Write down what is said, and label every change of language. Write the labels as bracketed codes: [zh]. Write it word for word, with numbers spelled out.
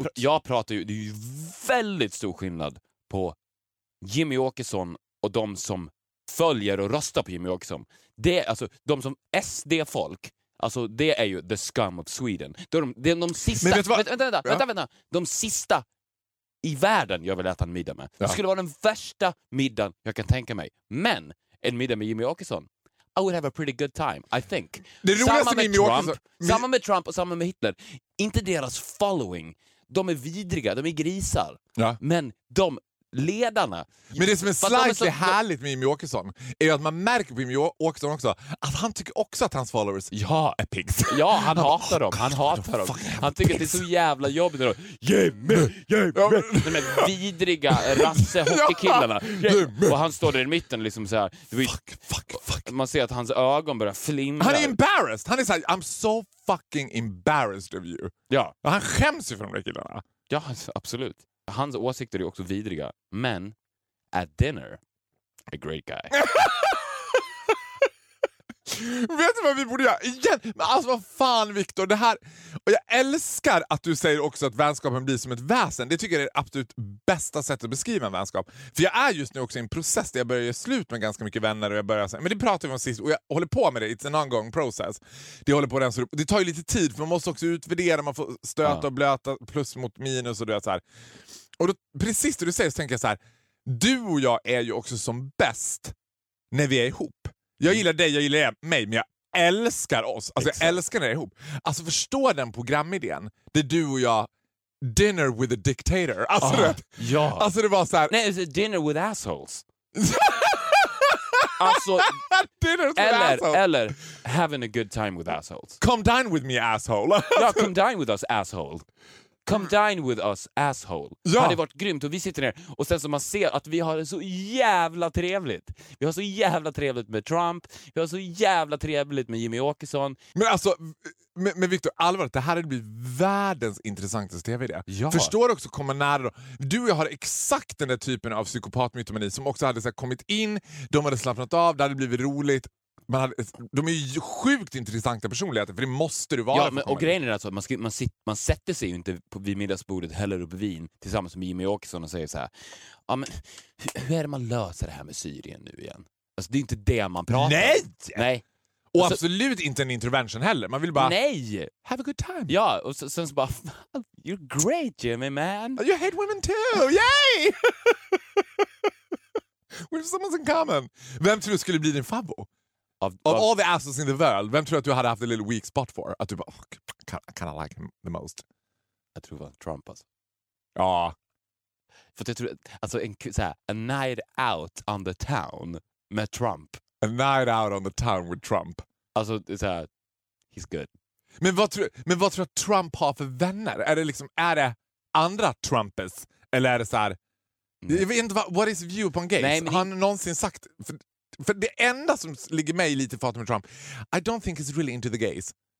[sv] men jag, pr- jag pratar ju, det är ju väldigt stor skillnad på Jimmy Åkesson och de som följer och röstar på Jimmy Åkesson. Det är alltså de som S D-folk. Alltså det är ju [en] the scum of Sweden. [sv] Det är de, det är de sista... Men vänta, vänta, vänta, ja. vänta, vänta. De sista i världen jag vill äta en middag med. Ja. Det skulle vara den värsta middagen jag kan tänka mig. Men en middag med Jimmy Åkesson, [en] I would have a pretty good time, I think. [sv] Det samma med, Jimmy Trump, Åkesson. samma med Trump och samma med Hitler. Inte deras following. De är vidriga, de är grisar. Ja. Men de... ledarna. Men det som är slightly härligt med Jimmy Åkesson är att man märker på Jimmy Åkesson också att han tycker också att hans followers ja är pigs. Ja, han hatar dem. Han hatar dem. Han tycker att det är så jävla jobbigt. Jimmy, Jimmy. De här vidriga rassehockeykillarna. Och han står där i mitten liksom så här. [en] Fuck, fuck, fuck. [sv] Man ser att hans ögon börjar flimra. Han är embarrassed. Han är så här, [en] I'm so fucking embarrassed of you. [sv] Ja. Och han skäms ju för de där killarna. Ja, absolut. Hans åsikter är också vidriga. [en] Men, at dinner, a great guy. [sv] Vet du vad vi borde göra? Igen? Men alltså vad fan, Victor, det här... Och jag älskar att du säger också att vänskapen blir som ett väsen. Det tycker jag är det absolut bästa sättet att beskriva en vänskap. För jag är just nu också i en process där jag börjar göra slut med ganska mycket vänner. Och jag börjar... Men det pratade vi om sist. Och jag håller på med det. [en] It's an ongoing process. [sv] Det håller på att det tar ju lite tid. För man måste också utvärdera. Man får stöta ja. och blöta plus mot minus. Och, du vet, så här. Och då, precis det du säger så tänker jag så här. Du och jag är ju också som bäst när vi är ihop. Jag gillar dig, jag gillar mig, men jag älskar oss. Alltså jag älskar när det är ihop. Alltså förstå den programidén där du och jag [en] dinner with a dictator. [sv] Alltså, det, ja. alltså det var så här. [en] Nej, it's dinner with assholes. [sv] Alltså [en] dinner with [sv] eller, [en] assholes. Eller having a good time with assholes. Come dine with me, asshole. Ja, come dine with us, asshole. Come dine with us, asshole. [sv] Ja. Hade varit grymt och vi sitter ner. Och sen så man ser att vi har det så jävla trevligt. Vi har så jävla trevligt med Trump. Vi har så jävla trevligt med Jimmy Åkesson. Men alltså, men, men Victor, allvarligt, det här hade blivit världens intressantaste tv-idé. Ja. Förstår också, kommer nära då. Du och jag har exakt den där typen av psykopatmytomani som också hade så här, kommit in, de hade slappnat av, det hade blivit roligt. Man hade, de är ju sjukt intressanta personligheter, för det måste du vara. Ja, men, och grejen är alltså att man, ska, man, sit, man sätter sig ju inte på, vid middagsbordet, häller upp vin tillsammans med Jimmy Åkesson och säger så här: ja, men hur, hur är det man löser det här med Syrien nu igen? Alltså det är inte det man pratar om. Nej! Nej. Och alltså, absolut inte en intervention heller. Man vill bara... Nej! [en] Have a good time. [sv] Ja, och så, sen så bara... [en] You're great, Jimmy, man. You hate women too! Yay! We have someone in common. [sv] Vem tror du skulle bli din favvo? [en] Of, of, of all the assholes in the world, [sv] vem tror att du hade haft [en] a little weak spot for? [sv] Att du bara, [en] oh, kind of like him the most. [sv] Jag tror det var Trump alltså. Ja. För att jag tror, alltså en så här, [en] a night out on the town [sv] med Trump. [en] A night out on the town with Trump. [sv] Alltså det är så här, [en] he's good. [sv] Men vad tror men vad tror att Trump har för vänner? Är det liksom, är det andra Trumpers? Eller är det så här, mm. jag vet inte vad, [en] what is view upon gays? [sv] Nej, men har han det... någonsin sagt... För, För det enda som ligger mig lite fatt med Trump, [en] I don't think he's really into the gays.